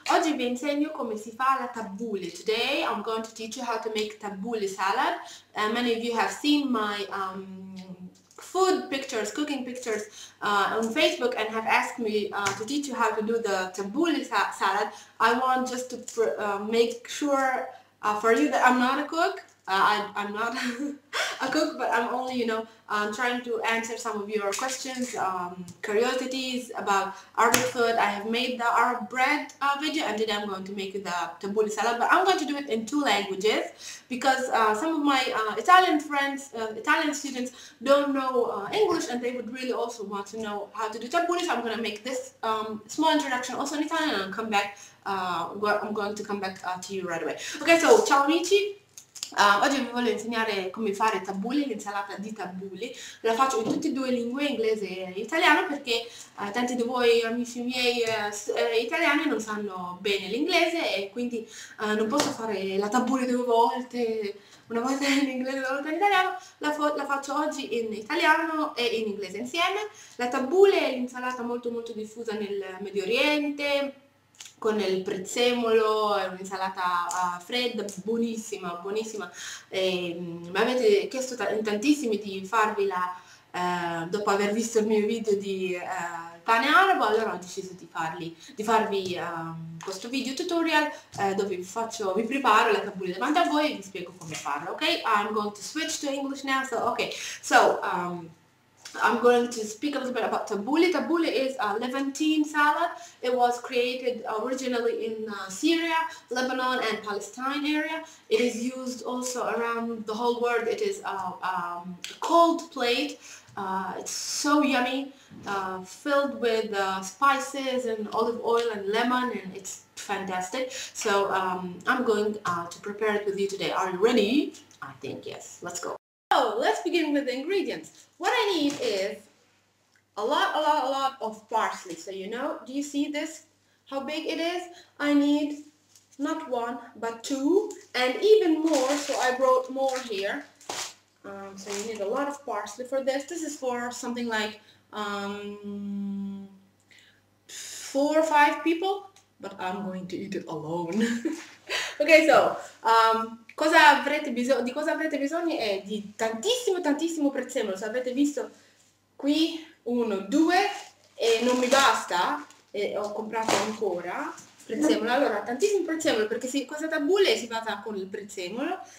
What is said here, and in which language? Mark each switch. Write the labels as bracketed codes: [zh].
[it] Oggi vi insegno come si fa la tabbouleh. [en] Today I'm going to teach you how to make tabbouleh salad. Many of you have seen my food pictures, cooking pictures on Facebook and have asked me to teach you how to do the tabbouleh salad. I want just to make sure for you that I'm not a cook. I'm not a cook, but I'm only, you know, trying to answer some of your questions, curiosities about Arab food. I have made the Arab bread video, and today I'm going to make the tabbouleh salad, but I'm going to do it in two languages, because some of my Italian friends, Italian students, don't know English, and they would really also want to know how to do tabbouleh, so I'm going to make this small introduction also in Italian, and come back. I'm going to come back to you right away. [it] Okay, so ciao amici! Oggi vi voglio insegnare come fare tabbouleh, l'insalata di tabbouleh. La faccio in tutte e due le lingue, inglese e italiano, perché tanti di voi amici miei italiani non sanno bene l'inglese e quindi non posso fare la tabbouleh due volte, una volta in inglese e una volta in italiano. La faccio oggi in italiano e in inglese insieme. La tabbouleh è l'insalata molto molto diffusa nel Medio Oriente, con il prezzemolo, è un'insalata fredda, buonissima, buonissima. Mi avete chiesto in tantissimi di farvi la, dopo aver visto il mio video di pane arabo, allora ho deciso di farvi questo video tutorial dove vi preparo la tabbouleh davanti a voi e vi spiego come farlo, ok? [en] I'm going to switch to English now, so okay. So, I'm going to speak a little bit about tabbouleh. Tabbouleh is a Levantine salad. It was created originally in Syria, Lebanon and Palestine area. It is used also around the whole world. It is a cold plate. It's so yummy, filled with spices and olive oil and lemon, and it's fantastic. So I'm going to prepare it with you today. Are you ready? I think yes. Let's go. So let's begin with the ingredients. What I need is a lot of parsley. So you know, do you see this, how big it is? I need not one, but two, and even more, so I brought more here. So you need a lot of parsley for this. This is for something like 4 or 5 people, but I'm going to eat it alone. [it] Okay, so cosa avrete bisogno è di tantissimo, tantissimo prezzemolo. Se avete visto qui, uno, due, e non mi basta, e ho comprato ancora prezzemolo. Allora, tantissimo prezzemolo, perché questa tabbouleh si basa con il prezzemolo.